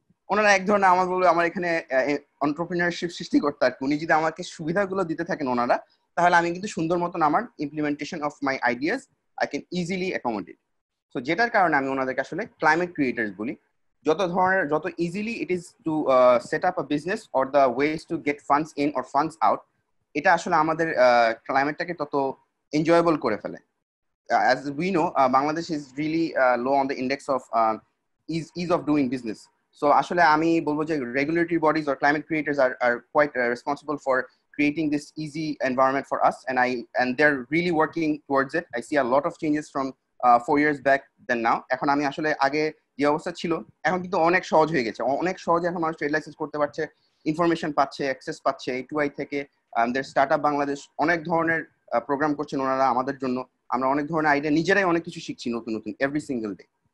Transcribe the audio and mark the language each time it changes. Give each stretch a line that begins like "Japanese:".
Bangla: ওনারা এক ধরনের আমার বলবো আমার এখানে অন্টারপ্রিনারশিপ সৃষ্টি করতে আর কি, উনি যদি আমাকে সুবিধাগুলো দিতে থাকেন ওনারা, তাহলে আমি কিন্তু সুন্দর মতন আমার
English: Implementation of my ideas I can easily accommodate.
Bangla: So যেটার কারণে আমি ওনাদেরকে আসলে ক্লাইমেট ক্রিয়েটার্স বলি। যত ধরনের যত easily
English: it is to set up a business or the ways to get funds in or funds out,
Bangla: এটা আসলে আমাদের ক্লাইমেটটাকে তত এনজয়েবল করে ফেলে।
English: As we know, Bangladesh is really low on the index of ease of doing business. So, actually, I would say regulatory bodies or climate creators are quite responsible for creating this easy environment for us. And they're really working towards it. I see a lot of changes from 4 years back than now.
Bangla: এখন আমি আসলে আগে যে অবস্থা ছিল এখন কিন্তু অনেক সহজ হয়ে গেছে, অনেক সহজে এখন মানুষ ট্রেড লাইসেন্স করতে পারছে, ইনফরমেশন পাচ্ছে, অ্যাক্সেস পাচ্ছে A2I থেকে। দের স্টার্ট আপ বাংলাদেশ অনেক ধরনের প্রোগ্রাম করছেন ওনারা আমাদের জন্য, আমরা অনেক ধরনের আইডিয়া নিজেরাই অনেক কিছু শিখছি নতুন নতুন
English: Every single day.